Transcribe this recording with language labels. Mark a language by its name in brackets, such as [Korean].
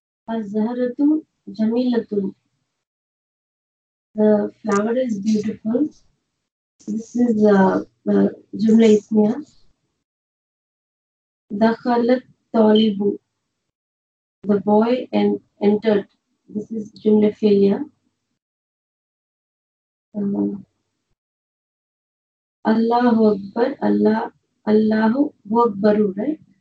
[Arabic] الزهرتو جميلتو, [English] the flower is beautiful. This is جملہ اسمیہ. [Arabic] دخل الطالب, [English] the boy entered. This is جملہ فعلیہ. [Arabic] اللہ اکبر, اللہ اللہ اکبر, right?